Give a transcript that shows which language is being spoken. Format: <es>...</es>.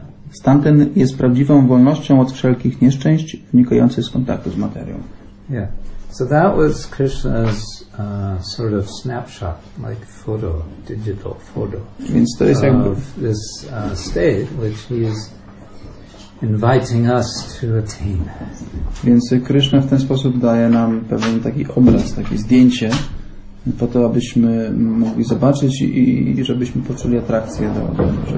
<pl>Stan ten jest prawdziwą wolnością od wszelkich nieszczęść wynikających z kontaktu z materią.</pl> <en>Yeah. So that was Krishna's sort of snapshot, like photo, digital photo, of this state which he is inviting us to attain.</en> <pl>Więc Krishna w ten sposób daje nam pewien taki obraz, takie zdjęcie, po to, abyśmy mogli zobaczyć i żebyśmy poczuli atrakcję do niego.</pl>